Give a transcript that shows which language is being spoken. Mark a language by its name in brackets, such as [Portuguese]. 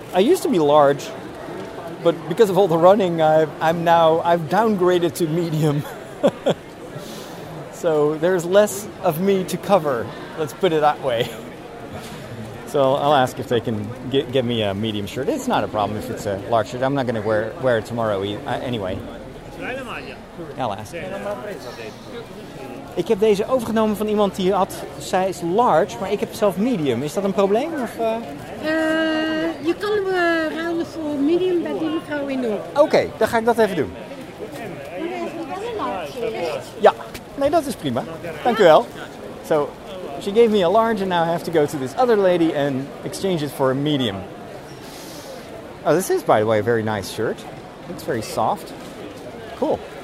[English] I used to be large, but because of all the running, I've downgraded to medium. So there's less of me to cover. Let's put it that way. So I'll ask if they can get me a medium shirt. It's not a problem if it's a large shirt. I'm not going to wear it tomorrow anyway. I'll ask. [Dutch] Ik heb deze overgenomen van iemand die had size large, maar ik heb zelf medium. Is dat een probleem? Je kan hem ruilen voor medium bij die mevrouw in de hoek. Oké, dan ga ik dat even doen. Maar hij heeft wel een large shirt. Ja, nee, dat is prima. Dank u wel. [English] So, she gave me a large and now I have to go to this other lady and exchange it for a medium. Oh, this is, by the way, a very nice shirt. It's very soft. Cool.